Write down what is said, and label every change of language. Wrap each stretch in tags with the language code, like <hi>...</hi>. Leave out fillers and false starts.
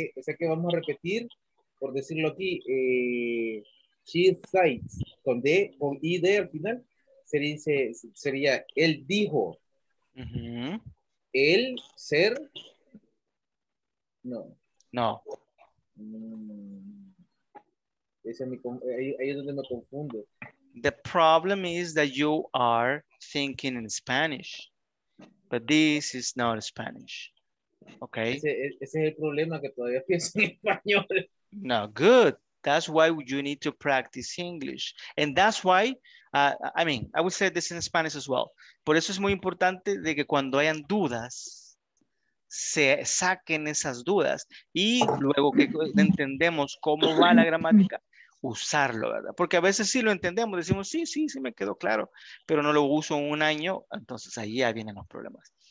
<es>O sea que vamos a repetir, por decirlo aquí,</es> <en>she said,</en> <es>con D, con ID al final, sería él dijo. El ser no ahí es donde me confundo.</es> <en>The problem is that you are thinking in Spanish, but this is not Spanish. Okay,</en> <es>ese es el problema, que todavía pienso en español.</es> <en>No, good, That's why you need to practice English. And that's why, I mean, I would say this in Spanish as well.</en> <es>Por eso es muy importante de que cuando hayan dudas, se saquen esas dudas. Y luego que entendemos cómo va la gramática, usarlo, ¿verdad? Porque a veces sí lo entendemos, decimos, sí, sí, sí me quedó claro, pero no lo uso en un año, entonces ahí ya vienen los problemas.</es>